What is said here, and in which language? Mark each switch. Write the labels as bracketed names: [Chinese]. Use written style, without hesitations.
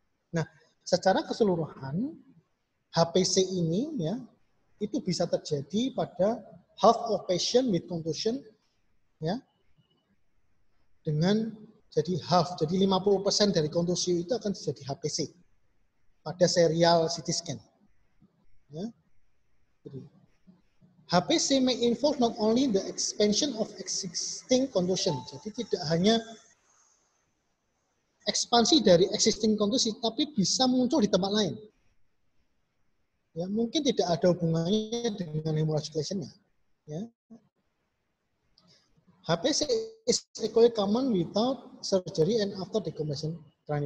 [Indonesian] Nah, secara keseluruhan, HPC ini ya itu bisa terjadi pada [English] half of patient with contusion, [Indonesian] ya, dengan jadi half, jadi 50% dari kontusio itu akan terjadi HPC pada serial CT scan. Ya. Jadi, [English] HPC may involve not only the expansion of existing contusion. [Indonesian] Jadi tidak hanya ekspansi dari [English] existing contusion, [Indonesian] tapi bisa muncul di tempat lain. Ya, mungkin tidak ada hubungannya dengan hemorrhagic lesion-nya. Ya. [English] HPC is equally common without surgery and after decompression trauma.